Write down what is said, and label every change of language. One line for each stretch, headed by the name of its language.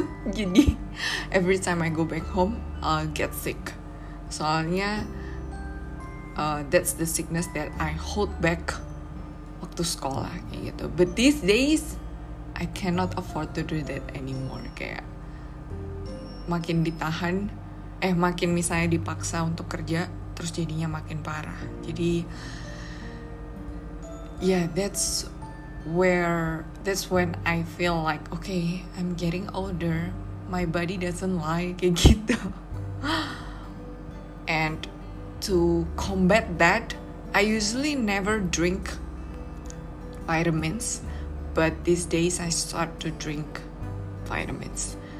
English: Jadi, every time I go back home, I'll get sick. Soalnya, that's the sickness that I hold back
Indonesian: waktu sekolah, kayak gitu.
English: But these days, I cannot afford to do that anymore, kayak.
Indonesian: Makin ditahan, makin misalnya dipaksa untuk kerja, terus jadinya makin parah.
English: Jadi, yeah, that's when I feel like, okay, I'm getting older, my body doesn't lie,
Indonesian: kayak gitu.
English: And to combat that, I usually never drink vitamins, but these days I start to drink vitamins.